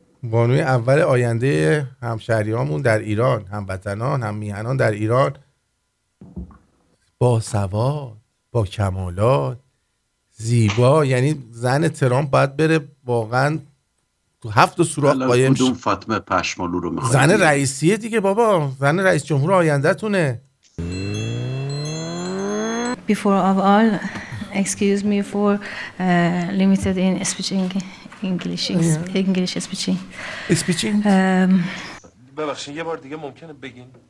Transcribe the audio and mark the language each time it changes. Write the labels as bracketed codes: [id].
[fa] بانوی اول آینده همشهریامون در ایران، هموطنان، هممیهنان در ایران، با سواد، با کمالات، زیبا، یعنی زن ترامپ باید بره واقعا تو هفت و سوراخ قایم شه. فاطمه پشمالو رو میخواد، زن رئیسیه دیگه بابا، زن رئیس جمهور آینده تونه. [en] Before of all, excuse me for limited in speaking English. Speaching. [fa] ببخشید یه بار دیگه ممکنه بگین؟